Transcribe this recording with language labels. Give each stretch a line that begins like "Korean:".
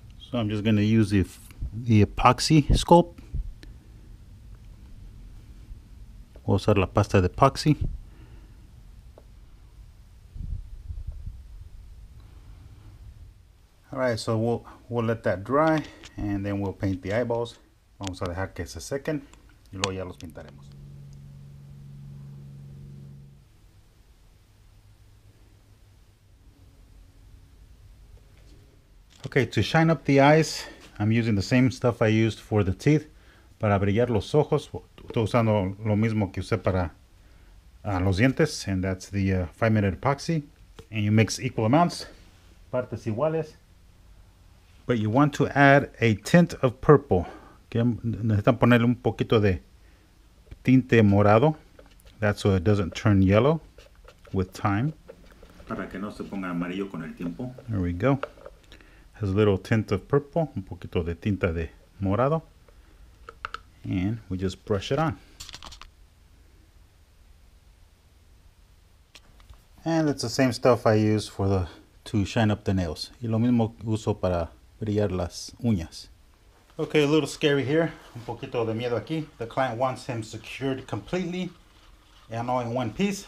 English: So I'm just going to use the epoxy sculpt.
Spanish: Voy a usar la pasta de epoxy.
English: All right, so we'll let that dry and then we'll paint the eyeballs.
Spanish: Vamos a dejar que se sequen y luego ya los pintaremos.
English: Okay, to shine up the eyes, I'm using the same stuff I used for the teeth.
Spanish: Para brillar los ojos, estoy usando lo mismo que usé para los dientes,
English: and that's the 5-minute epoxy. And you mix equal amounts,
Spanish: partes iguales.
English: But you want to add a tint of purple.
Spanish: Okay, necesitan ponerle un poquito de tinte morado.
English: That's so it doesn't turn yellow with time.
Spanish: Para que no se ponga amarillo con el tiempo.
English: There we go. Has a little tint of purple,
Spanish: un poquito de tinta de morado,
English: and we just brush it on. And it's the same stuff I use for the to shine up the nails.
Spanish: Y lo mismo uso para brillar las uñas.
English: Okay, a little scary here,
Spanish: un poquito de miedo aquí.
English: The client wants him secured completely, and all in one piece.